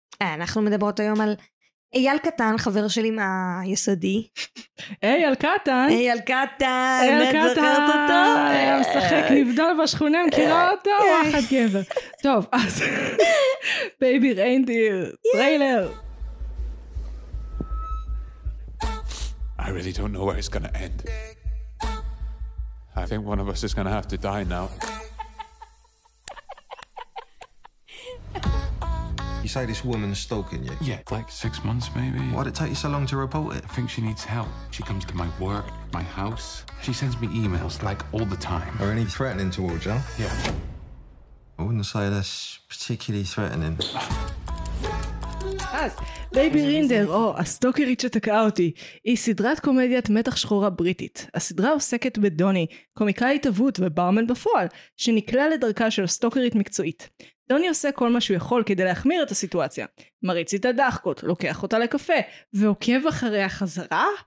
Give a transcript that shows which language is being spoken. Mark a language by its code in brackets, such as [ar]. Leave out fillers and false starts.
[he] אנחנו מדברות היום על אייל קטן, חבר שלי מהיסודי. אייל קטן. אייל קטן. אייל קטן. היה משחק נבדל בשכונה, מכירה אותו, וואחד גבר. טוב, אז בייבי ריינדיר, טריילר. [en] I really don't know where it's gonna end. I think one of us is going to have to die now. You say this woman is stalking you? Yeah, like 6 months maybe. Why'd it take you so long to report it? I think she needs help. She comes to my work, my house. She sends me emails, like, all the time. Are any threatening towards you? Yeah. I wouldn't say that's particularly threatening. [he] אז, בייבי רינדר, או הסטוקרית שתקעה אותי, היא סדרת קומדיית מתח שחורה בריטית. הסדרה עוסקת בדוני, קומיקאית אבות וברמן בפועל, שנקלע לדרכה של סטוקרית מקצועית. דוני עושה כל מה שהוא יכול כדי להחמיר את הסיטואציה. מריץ את הדחקות, לוקח אותה לקפה, ועוקב אחרי החזרה?